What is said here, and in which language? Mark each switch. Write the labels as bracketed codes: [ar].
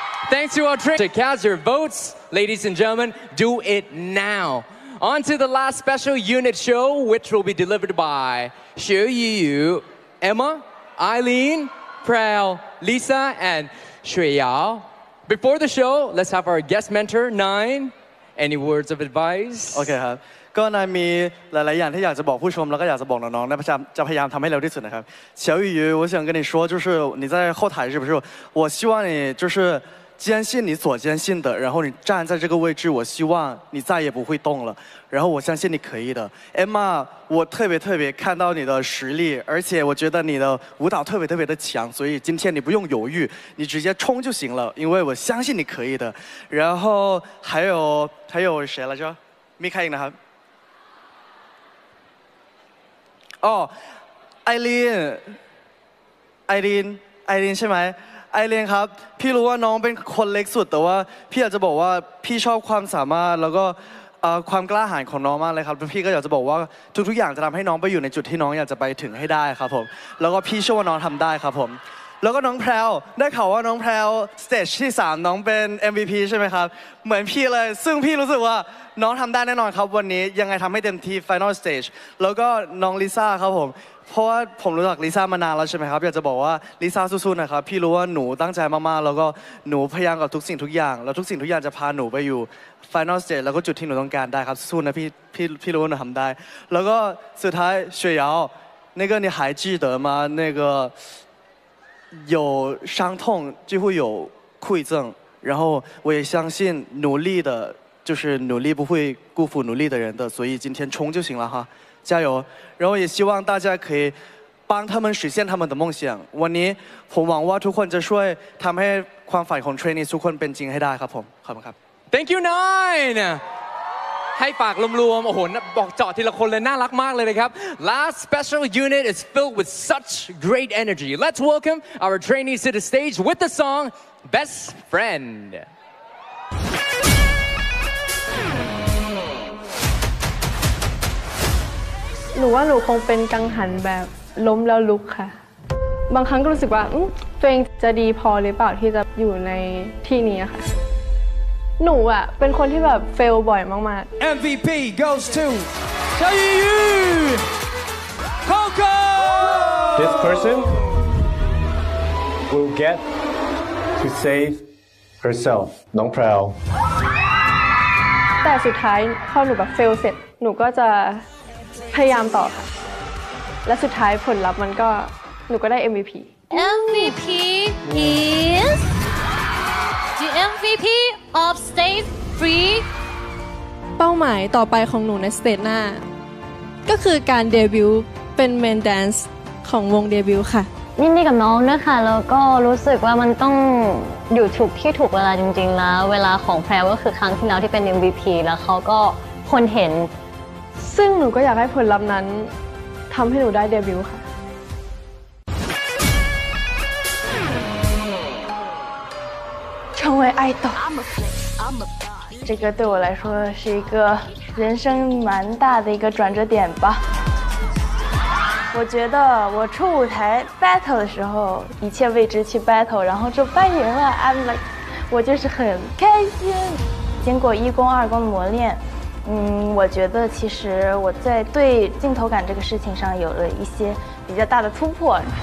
[en] Thanks to our to cast your votes. Ladies and gentlemen, do it now. On to the last special unit show, which will be delivered by Xueyiyu, Emma, Eileen, Prel, Lisa, and Xueyao. Before the show, let's have our guest mentor, Nine. Any words of advice? Okay, huh? [th] ก็นายมีหลายๆอย่างที่อยากจะบอกผู้ชมแล้วก็อยากจะบอกน้องๆนะพยายามจะพยายามทำให้เร็วที่สุดนะครับเฉียวยูวันนี้ [zh] 跟你说就是你在后台是不是我希望你就是坚信你所坚信的然后你站在这个位置我希望你再也不会动了然后我相信你可以的 Emma 我特别特别看到你的实力而且我觉得你的舞蹈特别特别的强所以今天你不用犹豫你直接冲就行了因为我相信你可以的然后还有谁来着米凯英的还哦，艾琳，艾琳，艾琳， [th] ใช่ไหม？艾琳ครับ，พี่รู้ว่าน้องเป็นคนเล็กสุดแต่ว่าพี่อยากจะบอกว่าพี่ชอบความสามารถแล้วก็ความกล้าหาญของน้องมากเลยครับพี่ก็อยากจะบอกว่าทุกอย่างจะทำให้น้องไปอยู่ในจุดที่น้องอยากจะไปถึงให้ได้ครับผมแล้วก็พี่เชื่อว่าน้องทำได้ครับผม แล้วก็น้องแพรวได้ข่าวว่าน้องแพรวสเตจที่3น้องเป็น MVP ใช่ไหมครับเหมือนพี่เลยซึ่งพี่รู้สึกว่าน้องทำได้แน่นอนครับวันนี้ยังไงทำให้เต็มที่ Final Stage แล้วก็น้องลิซ่าครับผมเพราะว่าผมรู้จักลิซ่ามานานแล้วใช่ไหมครับอยากจะบอกว่าลิซ่าสู้ๆนะครับพี่รู้ว่าหนูตั้งใจมากๆแล้วก็หนูพยายามกับทุกสิ่งทุกอย่างแล้วทุกสิ่งทุกอย่างจะพาหนูไปอยู่ Final Stage แล้วก็จุดที่หนูต้องการได้ครับสู้นะพี่รู้ว่าหนูทำได้แล้วก็สุดท้ายเฉยเยา [zh] 那个你还记得吗那个有伤痛就会有馈赠，然后我也相信努力的就是努力不会辜负努力的人的，所以今天冲就行了哈，加油。然后也希望大家可以帮他们实现他们的梦想。 [th] วันนี้ผมหวังว่าทุกคนจะช่วยทำให้ความฝันของเทรนนี่ทุกคนเป็นจริงให้ได้ครับผมขอบคุณครับ [en] Thank you Nine [th] ให้ฝากรวมๆโอ้โหบอกเจาะทีละคนเลยน่ารักมากเลยนะครับ [en] Last special unit is filled with such great energy. Let's welcome our trainees to the stage with the song Best Friend. [th] หนูว่าหนูคงเป็นกังหันแบบล้มแล้วลุกค่ะบางครั้งก็รู้สึกว่าตัวเองจะดีพอหรือเปล่าที่จะอยู่ในที่นี้ค่ะหนูอ่ะเป็นคนที่แบบเฟลบ่อยมาก [en] ๆ MVP goes to qiaoyiyu Coco This person will get to save herself น้องแพรว [th] แต่สุดท้ายพอหนูแบบเฟลเสร็จหนูก็จะพยายามต่อค่ะและสุดท้ายผลลัพธ์มันก็หนูก็ได้ MVP [en] MVP is the MVP of stage 3 [th] เป้าหมายต่อไปของหนูในสเตจหน้าก็คือการเดบิวต์เป็นเมนแดนซ์ของวงเดบิวต์ค่ะ ยินดีกับน้องด้วยค่ะแล้วก็รู้สึกว่ามันต้องอยู่ถูกที่ถูกเวลาจริงๆแล้วเวลาของแพรก็คือครั้งที่แล้วที่เป็น MVP แล้วเขาก็คนเห็น ซึ่งหนูก็อยากให้ผลลัพธ์นั้นทำให้หนูได้เดบิวต์ค่ะ ชื่อว่าไอโต [zh] 这个对我来说是一个人生蛮大的一个转折点吧我觉得我出舞台 battle 的时候一切未知去 battle 然后就败赢了 [en] I'm like [zh] 我就是很开心经过一公二公的磨练我觉得其实我在对镜头感这个事情上有了一些比较大的突破